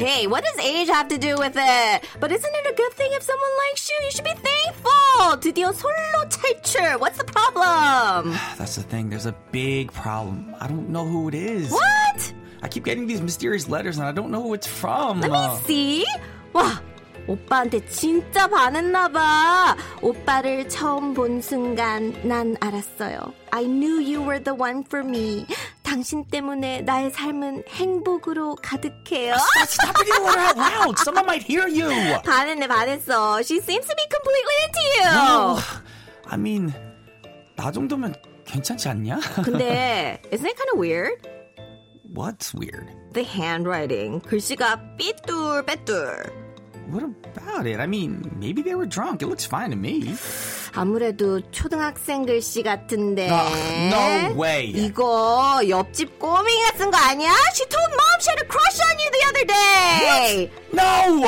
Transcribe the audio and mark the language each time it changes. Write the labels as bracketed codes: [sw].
[en] Hey, what does age have to do with it? But isn't it a good thing if someone likes you? You should be thankful. [ko] 드디어 솔로 탈출. [en] What's the problem? That's the thing. There's a big problem. I don't know who it is. What? I keep getting these mysterious letters and I don't know who it's from. Let me see. Wow. [ko] 오빠한테 진짜 반했나 봐. 오빠를 처음 본 순간 난 알았어요. [en] I knew you were the one for me. [ko] 당신 때문에 나의 삶은 행복으로 가득해요. [en] Stop reading the letter out loud. Someone might hear you. [ko] 반했어. [en] She seems to be completely into you. No, I mean, [ko] 나 정도면 괜찮지 않냐? 근데 [en] isn't it kind of weird? What's weird? The handwriting. [ko] 글씨가 삐뚤빼뚤. [en] What about it? I mean, maybe they were drunk. It looks fine to me. [ko] 아무래도 초등학생 글씨 같은데. [en] No way. [ko] 이거 옆집 꼬맹이 같은 거 아니야? [en] She told mom she had a crush on you the other day.